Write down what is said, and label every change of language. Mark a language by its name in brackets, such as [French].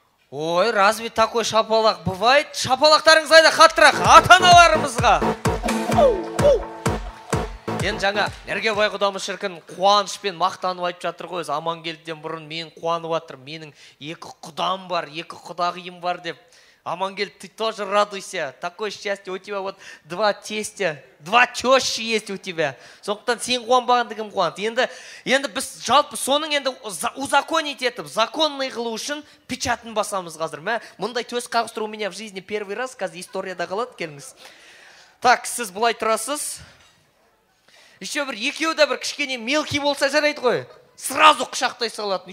[Kazakh] Ой, [Russian] разве такой [Kazakh] шапалақ [Russian] бывает? [Kazakh] Шапалақтарыңыз айда қаттырақ ата-аналарымызға. Енді жаңа Ергебай құдамыз шіркін қуанышпен мақтанып айтып жатыр ғой, өзі Амангелдіден бұрын мен қуанып жатырмын, менің екі құдам бар, екі құдағиым бар деп. [Russian] Амангелд, ты тоже радуйся, такое счастье, у тебя вот два тестя, два тещи есть у тебя. [Kazakh] Сондықтан сен қуанбағанды кім қуанды? Енді біз жалпы соның енді узаконить етіп, законный қылу үшін печатын басамыз қазір. Мұндай төс қағыстыру [Russian] у меня в жизни первый раз, [Kazakh] қазір историяда қалады, келіңіз. Так, сіз бұлай тұрасыз. Еще бір екеуі де бір кішкене мелкий болса жарайды ғой, сразу құшақтай салатын.